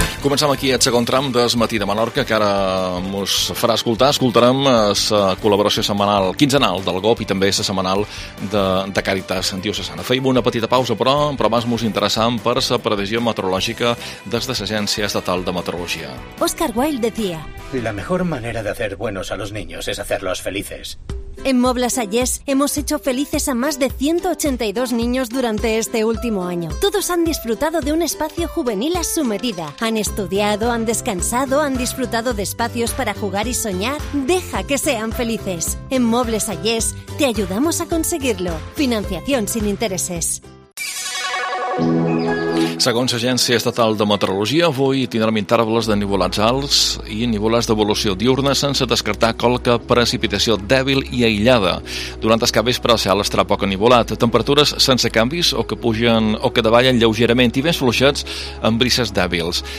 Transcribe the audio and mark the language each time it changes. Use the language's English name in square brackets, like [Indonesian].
[Catalan] Començam aquí el segon tram del Matí de Menorca, que ara ens farà escoltar. Escoltarem la col·laboració setmanal quinzenal del GOP i també la setmanal de Càritas Diocesana. Fem una petita pausa, però abans ens interessam per la previsió meteorològica des de l'Agència Estatal de Meteorologia. [Spanish] Oscar Wilde decía: la mejor manera de hacer buenos a los niños es hacerlos felices. En Moblas Allés hemos hecho felices a más de 182 niños durante este último año. Todos han disfrutado de un espacio juvenil a su medida. Han estudiado, han descansado, han disfrutado de espacios para jugar y soñar. Deja que sean felices. En Moblas Allés te ayudamos a conseguirlo. Financiación sin intereses. [Catalan] Segons l'Agència Estatal de Meteorologia, avui tindrem intervals de nivolats alts i nivolats d'evolució diurna sense descartar qualque precipitació dèbil i aïllada. Durant el capvespre el cel estarà poc nivolat, temperatures sense canvis o que pugen o que davallen lleugerament i vents fluixets amb brises dèbils.